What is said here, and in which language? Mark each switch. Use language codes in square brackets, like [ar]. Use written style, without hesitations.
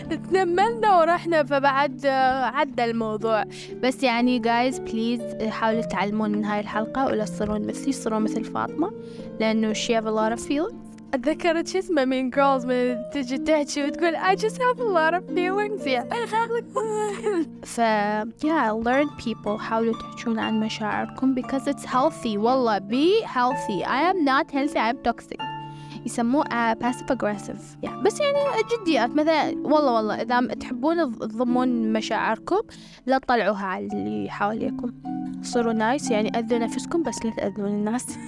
[ar] تنملنا ورحنا فبعد عدى الموضوع بس يعني [en] guys please [ar] حاولوا تعلمون من هاي الحلقة ولا تصيرون مثلي تصيرون مثل فاطمة لأنه [en] she have a lot of feelings [ar] اتذكرت شو اسمه من جيرلز من تجي تحكي وتقول [en] I just have a lot of feelings. Yeah. ف yeah, learn people how to [ar] تحكون عن مشاعركم [en] because it's healthy. والله be healthy. I am not healthy. I'm toxic. [ar] يسموه passive aggressive. [en] Yeah. [ar] بس يعني جديات مثلا والله اذا تحبون تضمون مشاعركم لا تطلعوها على اللي حواليكم. صروا نايس يعني اذوا نفسكم بس لا تاذون الناس.